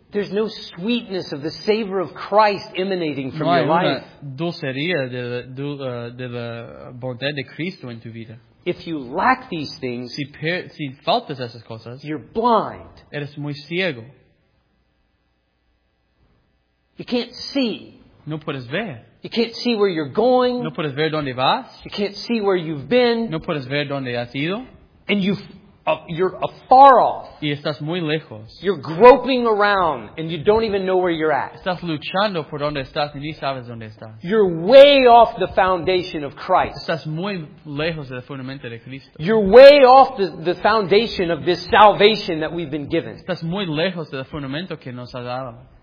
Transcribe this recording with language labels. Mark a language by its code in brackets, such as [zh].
[en] there's no sweetness of the savor of Christ emanating from [es] no hay [en] your [es] una [en] life. [es] Dulcería de la bondad de Cristo en tu vida. [en] If you lack these things, [es] si faltas estas cosas, [en] you're blind. [es] Eres muy ciego. [en] You can't see. [es] No puedes ver. [en] You can't see where you're going. [es] No puedes ver dónde vas. [en] You can't see where you've been. [es] No puedes ver dónde has ido. [en] And you're afar off. [es] Y estás muy lejos. [en] You're groping around and you don't even know where you're at. [es] Estás luchando por dónde estás y ni sabes dónde estás. [en] You're way off the foundation of Christ. [es] Estás muy lejos del fundamento de Cristo. [en] You're way off the foundation of this salvation that we've been given. [es] Estás muy lejos del fundamento que nos ha dado.